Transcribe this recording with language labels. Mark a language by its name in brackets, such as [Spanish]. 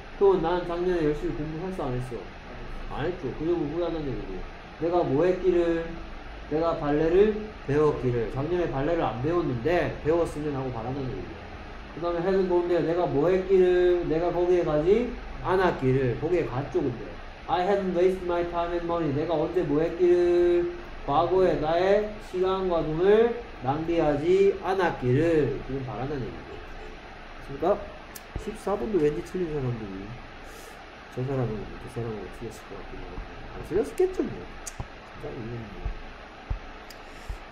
[Korean] 그럼 난 작년에 열심히 공부했어 안 했어? 안 했죠. 그 점을 후회한다는 얘기죠. 내가 뭐 했기를 내가 발레를 배웠기를 작년에 발레를 안 배웠는데 배웠으면 하고 바라는 얘기예요. 그 다음에 헤드 보는데 내가 뭐 했기를 내가 거기에 가지 않았기를 거기에 갔죠. [English] 근데 I hadn't wasted my time and money. [Korean] 내가 언제 뭐 했기를 과거에 나의 시간과 돈을 낭비하지 않았기를 지금 바라는 얘기예요. 그러니까 14번도 왠지 틀린 사람들이 저 사람은 그 사람하고 틀렸을 것 같긴 하고 안 틀렸겠죠 뭐. 진짜 이해는 뭐.